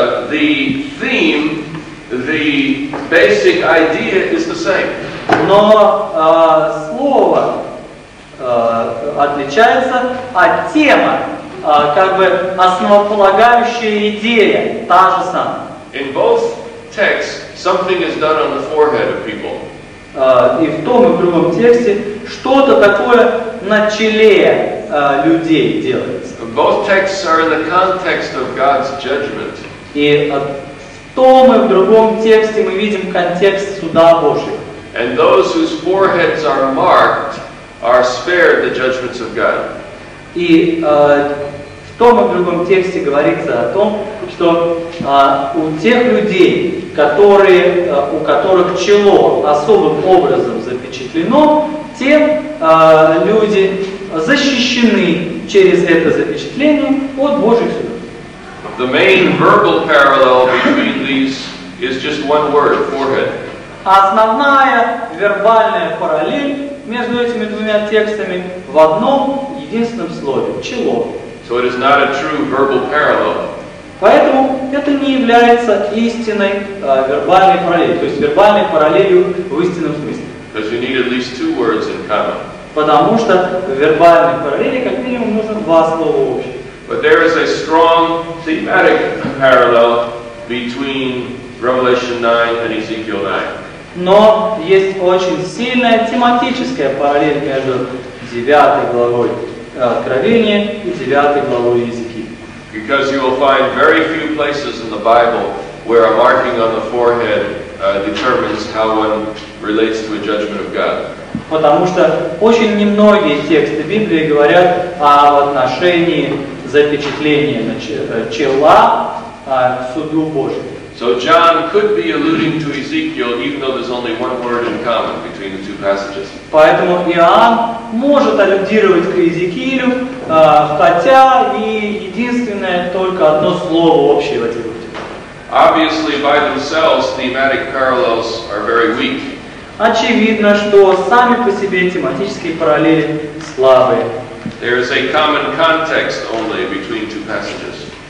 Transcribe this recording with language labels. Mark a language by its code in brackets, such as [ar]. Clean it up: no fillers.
[en] The theme, the basic idea is the same. [ru] Но слово отличается, а тема, как бы основополагающая идея, та же самая. [en] In both texts, something is done on the forehead of people. [ru] И в том и в другом тексте что-то такое на челе людей делается. [en] Both texts are in the context of God's judgment. [ru] И в том и в другом тексте мы видим контекст суда Божьего. [en] And those whose foreheads are marked are spared the judgments of God. [ru] И в том и в другом тексте говорится о том, что у тех людей, которые, у которых чело особым образом запечатлено, те люди защищены через это запечатление от Божьих судов. [en] The main verbal parallel between these is just one word, forehead. [ru] Основная вербальная параллель между этими двумя текстами в одном единственном слове, чело. [en] So it is not a true verbal parallel. [ru] Поэтому это не является истинной вербальной параллелью, то есть вербальной параллелью в истинном смысле. [en] Because you need at least two words in common. [ru] Потому что в вербальной параллели как минимум нужно два слова общих. [en] But there is a strong thematic parallel between Revelation 9 and Ezekiel 9. [ru] Но есть очень сильная тематическая параллель между 9 главой Откровения и 9 главой Езекии. [en] Because you will find very few places in the Bible where a marking on the forehead determines how one relates to a judgment of God. [ru] Потому что очень немногие тексты Библии говорят об отношении запечатления на чела к суду Божьему. [en] So John could be alluding to Ezekiel, even though there's only one word in common between the two passages. [ru] Поэтому Иоанн может аллюдировать к Иезекиилю, хотя и единственное только одно слово общее в этих двух. [en] Obviously, by themselves, thematic parallels are very weak. [ru] Очевидно, что сами по себе тематические параллели слабые. [en] There is a common context only between two passages.